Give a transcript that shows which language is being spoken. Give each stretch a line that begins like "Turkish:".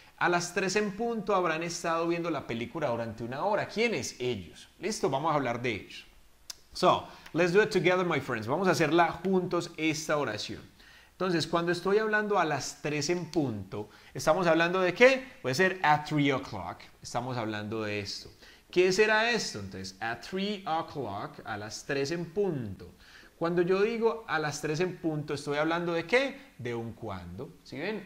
Spanish: A las 3 en punto habrán estado viendo la película durante una hora. ¿Quiénes? Ellos. Listo, vamos a hablar de ellos.
English: So, let's do it together, my friends.
Spanish: Vamos a hacerla juntos esta oración. Entonces, cuando estoy hablando a las 3 en punto, ¿estamos hablando de qué? Puede ser
English: at 3 o'clock.
Spanish: Estamos hablando de esto. ¿Qué será esto? Entonces,
English: at 3 o'clock,
Spanish: a las 3 en punto. Cuando yo digo a las 3 en punto, ¿estoy hablando de qué? De un cuándo. ¿Sí ven?